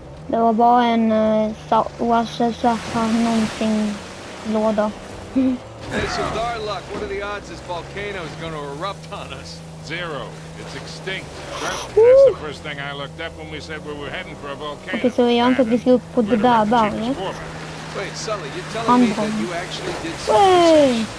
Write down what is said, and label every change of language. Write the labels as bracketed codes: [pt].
[sv] Det var bara en någonting låda. [en] This is our luck. What are the odds this volcano is going to erupt on us? Zero. It's extinct. That's the first thing I looked up when we said we were heading for a volcano. Okay, so [sv] jag antar att vi ska upp på det där berget. [en] Wait, Sully, you're telling me that you actually did something.